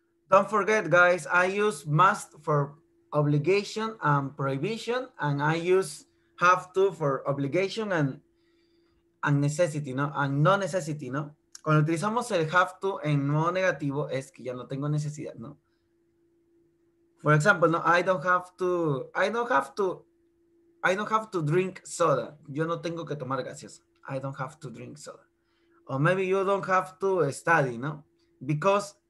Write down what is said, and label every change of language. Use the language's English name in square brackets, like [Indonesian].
[English] Don't forget, guys, I use must for obligation and prohibition, and I use have to for obligation and necessity, no? And no necessity, no? [Spanish] Cuando utilizamos el have to en modo negativo, es que ya no tengo necesidad, no? [English] For example, no, I don't have to drink soda. [Spanish] Yo no tengo que tomar gaseosa. [English] I don't have to drink soda. Or maybe you don't have to study, no? Because